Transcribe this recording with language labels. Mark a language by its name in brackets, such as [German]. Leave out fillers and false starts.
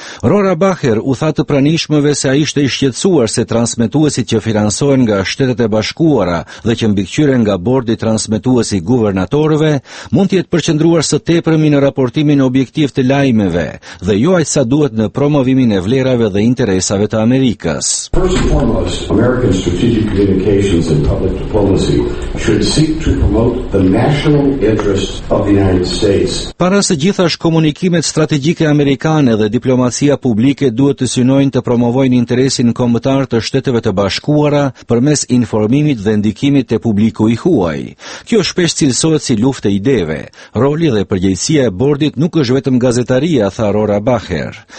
[Albanian] Rora Bacher u tha të pranishmëve se ai ishte i shqetësuar se transmetuesit që financohen nga Shtetet e Bashkuara dhe që mbikëqyren nga bordi transmetuesi guvernatorëve mund të përqendruar së tepërmi në raportimin objektiv të lajmeve dhe jo aq sa duhet në promovimin e vlerave dhe interesave të Amerikës. [English] American strategic communications and public diplomacy should seek to promote the national interests of the United States. [Albanian] Para së gjithash, komunikimet strategjike amerikane dhe diplomacia publike duhet të synojnë të promovojnë interesin kombëtar të Shteteve të Bashkuara përmes informimit dhe ndikimit të publiku i huaj. Kjo shpesh cilësohet si luftë e ideve. Roli dhe përgjegjësia e bordit nuk është vetëm gazetaria, tha Rora Bacher.